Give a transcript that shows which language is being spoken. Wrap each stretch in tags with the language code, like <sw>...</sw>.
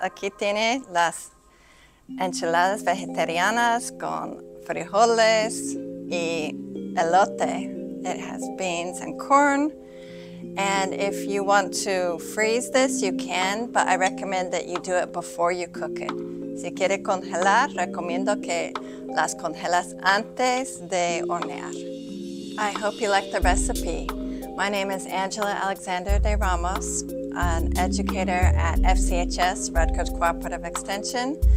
<es>Aquí tiene las enchiladas vegetarianas con frijoles y elote.</es> <en>It has beans and corn. And if you want to freeze this, you can, but I recommend that you do it before you cook it.</en> <es>Si quiere congelar, recomiendo que las congelas antes de hornear.</es> <en>I hope you like the recipe. My name is Angela Alexander de Ramos, an educator at FCHS, Rutgers Cooperative Extension.</en>